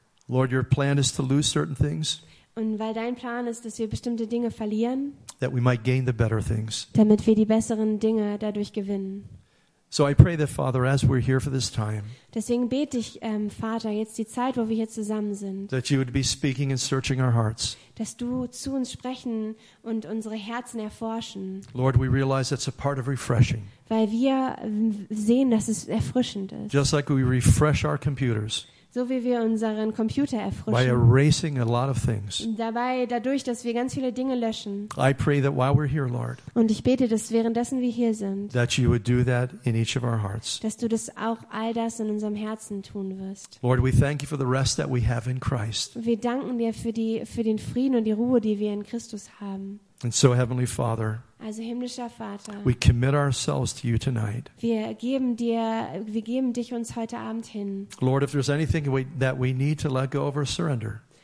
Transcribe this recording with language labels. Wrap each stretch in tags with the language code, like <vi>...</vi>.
<en>Lord, your plan is to lose certain things.</en> <de>Und weil dein Plan ist, dass wir bestimmte Dinge verlieren,</de> <en>that we might gain the better things.</en> <de>Damit wir die besseren Dinge dadurch gewinnen.</de> <en>So I pray that, Father, as we're here for this time,</en> <de>deswegen bete ich, Vater, jetzt die Zeit, wo wir hier zusammen sind,</de> <en>that you would be speaking and searching our hearts.</en> <de>Dass du zu uns sprechen und unsere Herzen erforschen.</de> <en>Lord, we realize that's a part of refreshing.</en> <de>Weil wir sehen, dass es erfrischend ist.</de> <en>Just like we refresh our computers.</en> <de>So wie wir unseren Computer erfrischen.</de> <en>By erasing a lot of things.</en> <de>Dadurch, dass wir ganz viele Dinge löschen.</de> <en>I pray that while we're here, Lord,</en> <de>und ich bete, dass währenddessen wir hier sind,</de> <en>that you would do that in each of our hearts.</en> <de>Dass du das auch all das in unserem Herzen tun wirst.</de> <en>Lord, we thank you for the rest that we have in Christ.</en> <de>Wir danken dir für den Frieden und die Ruhe, die wir in Christus haben.</de> <en>And so, Heavenly Father,</en> <de>also himmlischer Vater,</de> <en>we commit ourselves to you tonight.</en> <de>Wir geben dich uns heute Abend hin.</de> <en>Lord, if there's anything that we need to let go of or surrender.</en>